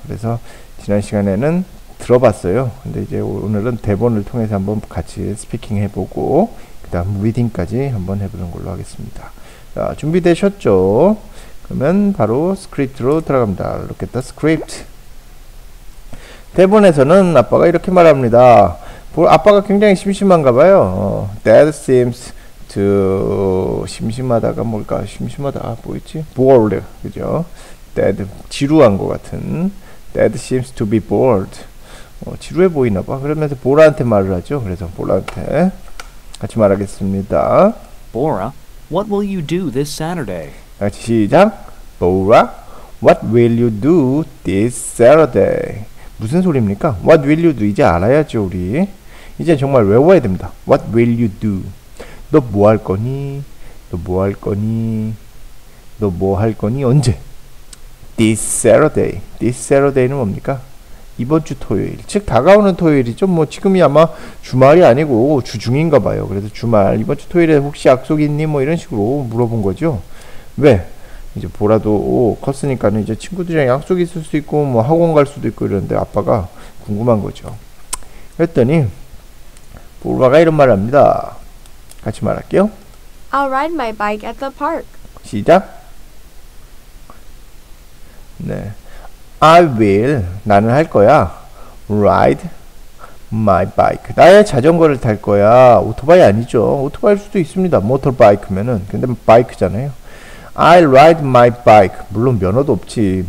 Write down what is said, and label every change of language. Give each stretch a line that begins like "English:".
Korean: 그래서 지난 시간에는 들어봤어요. 근데 이제 오늘은 대본을 통해서 한번 같이 스피킹 해보고 그다음 리딩까지 한번 해보는 걸로 하겠습니다. 자, 준비되셨죠? 그러면 바로 스크립트로 들어갑니다.
English: Look at the script.
Korean: 대본에서는 아빠가 이렇게 말합니다. 아빠가 굉장히 심심한가 봐요.
English: That seems to
Korean: 심심하다가 뭘까? 심심하다. 아, 뭐였지? Bored. 그죠? That 지루한 것 같은.
English: That seems to be bored.
Korean: 지루해 보이나 봐. 그러면서 보라한테 말을 하죠. 그래서 보라한테 같이 말하겠습니다.
English: Bora, what will you do this Saturday?
Korean: 같이 시작.
English: Bora, what will you do this Saturday?
Korean: 무슨 소리입니까?
English: What will you do?
Korean: 이제 알아야죠, 우리. 이제 정말 외워야 됩니다.
English: What will you do?
Korean: 너뭐할 거니? 너뭐할 거니? 너뭐할 거니? 언제?
English: This Saturday. This Saturday
Korean: 는 뭡니까? 이번 주 토요일, 즉 다가오는 토요일이죠. 뭐 지금이 아마 주말이 아니고 주중인가 봐요. 그래서 주말, 이번 주 토요일에 혹시 약속 있니? 뭐 이런 식으로 물어본 거죠. 왜? 이제 보라도 컸으니까는 이제 친구들이랑 약속 있을 수 있고 뭐 학원 갈 수도 있고 이런데 아빠가 궁금한 거죠. 그랬더니 보라가 이런 말을 합니다. 같이 말할게요.
English: I'll ride my bike at the park.
Korean: 시작. 네.
English: I will,
Korean: 나는 할 거야.
English: Ride my bike.
Korean: 나의 자전거를 탈 거야. 오토바이 아니죠. 오토바이일 수도 있습니다. 모터바이크면은. 근데 바이크잖아요.
English: I'll ride my bike.
Korean: 물론 면허도 없지.